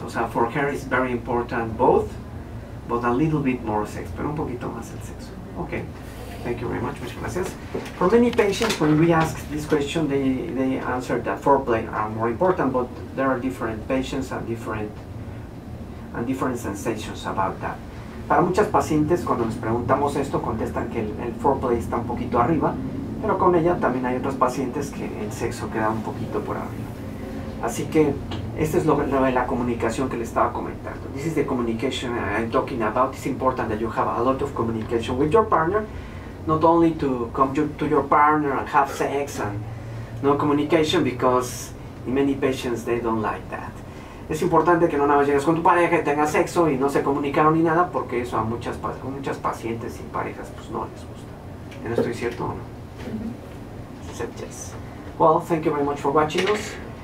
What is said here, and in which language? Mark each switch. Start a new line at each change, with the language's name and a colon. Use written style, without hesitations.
Spanish: O sea,
English: for her it's very important both, but a little bit more sex.
Spanish: Pero un poquito más el sexo.
English: Okay. Thank you very much.
Spanish: Muchas gracias.
English: For many patients, when we ask this question, they answer that foreplay are more important, but there are different patients and different sensations about that.
Spanish: Para muchas pacientes, cuando les preguntamos esto, contestan que el foreplay está un poquito arriba, pero con ella también hay otros pacientes que el sexo queda un poquito por arriba. Así que esto es lo de la comunicación que les estaba comentando.
English: This is the communication I'm talking about. It's important that you have a lot of communication with your partner, not only to come to your partner and have sex and no communication, because in many patients they don't like that.
Spanish: Es importante que no nada más llegues con tu pareja y tengas sexo y no se comunicaron ni nada, porque eso a muchas pacientes y parejas pues no les gusta. ¿No estoy cierto o no?
English: Except yes. Well, thank you very much for watching us.